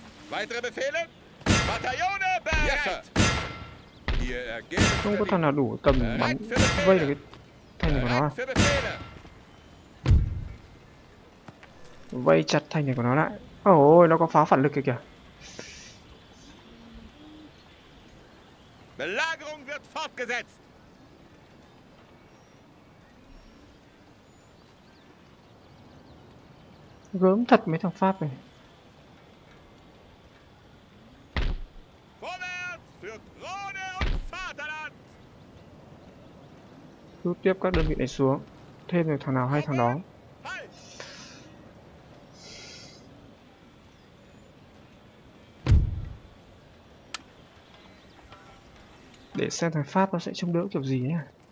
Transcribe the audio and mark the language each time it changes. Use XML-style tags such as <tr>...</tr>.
<de>Weitere Befehle? Bataillone bereit!</de> <vi>Không có thằng nào đủ tầm bắn vây được cái thành của nó à? Vây chặt thành này của nó lại. Ôi, nó có pháo phản lực kìa.</vi> <de>Belagerung wird fortgesetzt.</de> <vi>Gớm thật mấy thằng Pháp này.</vi> <de>Vorwärts für Krone und Vaterland.</de> <vi>Rút tiếp các đơn vị này xuống. Thêm được thằng nào hay thằng đó. Để xem thằng Pháp nó sẽ trông đỡ kiểu gì nhá.</vi>